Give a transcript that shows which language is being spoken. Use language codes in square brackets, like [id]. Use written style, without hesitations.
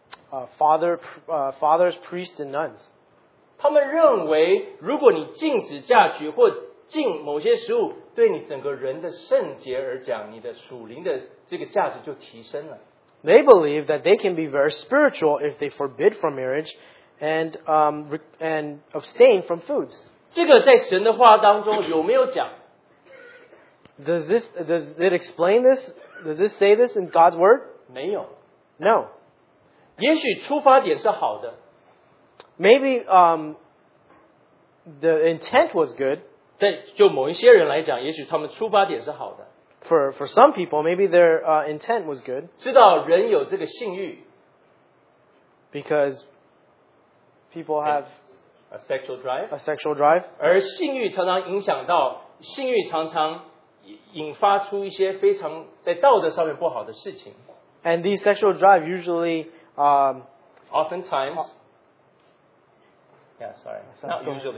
[en] fathers, priests and nuns. [zh] 他们认为如果你禁止嫁娶或 禁某些食物，对你整个人的圣洁而讲，你的属灵的这个价值就提升了。 [en] They believe that they can be very spiritual if they forbid from marriage and abstain from foods. [zh] 这个在神的话当中有没有讲? [en] Does it explain this? Does it say this in God's word? [zh] 没有。 [en] No. [zh] 也许出发点是好的。 [en] Maybe the intent was good. [zh] 对，就某一些人来讲，也许他们出发点是好的。 [en] For [zh] some people, maybe their intent was good. 知道人有这个性欲。 [en] Because people have a sexual drive. A sexual drive. [zh] 而性欲常常引发出一些非常在道德上面不好的事情。 [en] And these sexual drive usually, oftentimes, oftentimes.